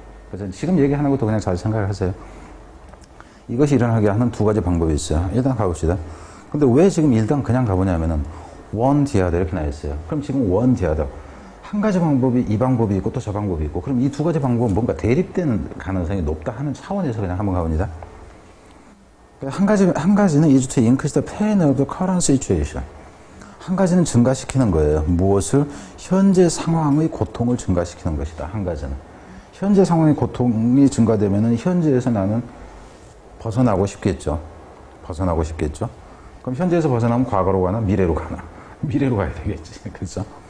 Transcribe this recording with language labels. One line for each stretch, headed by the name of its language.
Korean: 그래서 지금 얘기하는 것도 그냥 잘 생각을 하세요. 이것이 일어나게 하는 두 가지 방법이 있어요. 일단 가봅시다. 근데 왜 지금 일단 그냥 가보냐면은
English: 원 디아더
Korean: 이렇게 나와 있어요. 그럼 지금
English: 원 디아더
Korean: 한 가지 방법이 이 방법이 있고 또 저 방법이 있고 그럼 이 두 가지 방법은 뭔가 대립되는 가능성이 높다 하는 차원에서 그냥 한번 가봅니다. 한 가지는
English: is to increase the pain of the current situation.
Korean: 한 가지는 증가시키는 거예요. 무엇을? 현재 상황의 고통을 증가시키는 것이다. 한 가지는. 현재 상황의 고통이 증가되면은 현재에서 나는 벗어나고 싶겠죠. 벗어나고 싶겠죠. 그럼 현재에서 벗어나면 과거로 가나 미래로 가나? 미래로 가야 되겠지. 그렇죠?